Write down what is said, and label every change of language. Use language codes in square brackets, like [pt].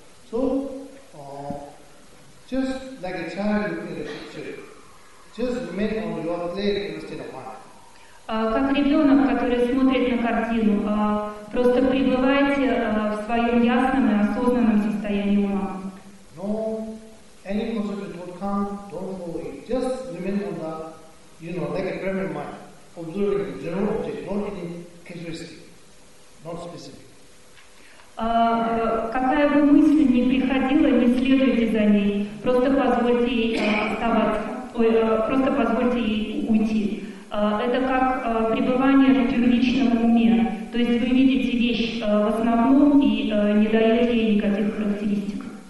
[en] So, just like a child looking at a picture. Just remain on your clear instead of mine. [ru] ребенок, который смотрит на картину, а просто пребываете в своем ясном и осознанном состоянии ума. [en] No, any concept will come, don't follow it. Just remain on that, you know, like a primary mind, observing the general object, not any characteristic, not specific. [ru] Какая бы мысль ни приходила, не следуйте за ней. Просто позвольте ей оставаться, просто позвольте ей уйти. Это как пребывание в первичном уме. То есть вы видите вещь в основном и не даете ей никаких характеристик.